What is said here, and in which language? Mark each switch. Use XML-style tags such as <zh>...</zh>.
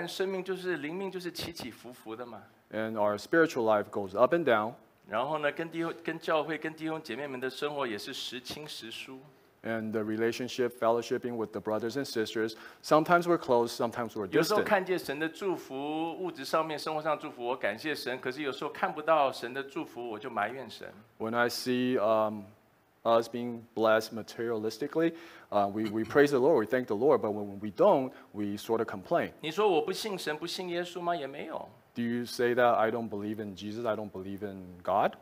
<zh>然后呢,这个基督徒的生活和生命就是灵命就是起起伏伏的嘛。</zh> <en>And our spiritual life goes up and down.</en> <zh>然后呢,跟教会,跟弟兄姐妹们的生活也是时轻时疏。</zh> <en>And the relationship, fellowshipping with the brothers and sisters, sometimes we're close, sometimes we're distant.</en> <zh>有时候看见神的祝福,物质上面,生活上祝福,我感谢神,可是有时候看不到神的祝福,我就埋怨神。</zh> <en>When I see us being blessed materialistically, we praise the Lord, we thank the Lord, but when we don't, we sort of complain.</en> <zh>你说我不信神,不信耶稣吗?也没有。</zh> <en>Do you say that I don't believe in Jesus, I don't believe in God?</en>